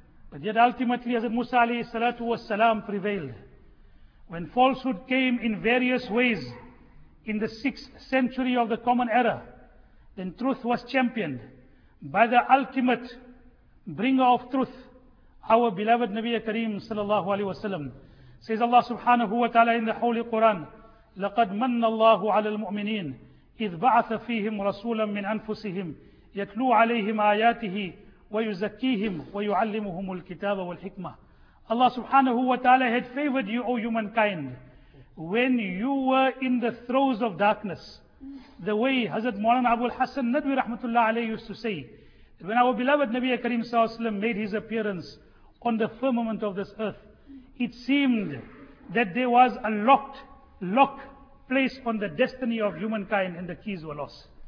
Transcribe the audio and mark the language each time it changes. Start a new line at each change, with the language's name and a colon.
English: But yet ultimately Hazrat Musa alayhi salatu wasalam prevailed. When falsehood came in various ways in the 6th century of the common era, then truth was championed by the ultimate bringer of truth, our beloved Nabi Kareem sallallahu alaihi wasallam. Says Allah subhanahu wa ta'ala in the Holy Quran,
Arabic: لَقَدْ مَنَّ اللَّهُ عَلَى الْمُؤْمِنِينَ إِذْ بَعَثَ فِيهِمْ رَسُولًا مِّنْ أَنفُسِهِمْ يَتْلُو عَلَيْهِمْ آيَاتِهِ وَيُزَكِّيهِمْ وَيُعَلِّمُهُمُ الْكِتَابَ وَالْحِكْمَةِ.
English: Allah subhanahu wa ta'ala had favored you, O humankind, when you were in the throes of darkness. The way Hazrat Mawlan Abu al-Hassan Nadwi rahmatullah alayhi used to say, when our beloved Nabi Kareem sallallahu alaihi wasallam made his appearance on the firmament of this earth, it seemed that there was a locked place on the destiny of humankind and the keys were lost.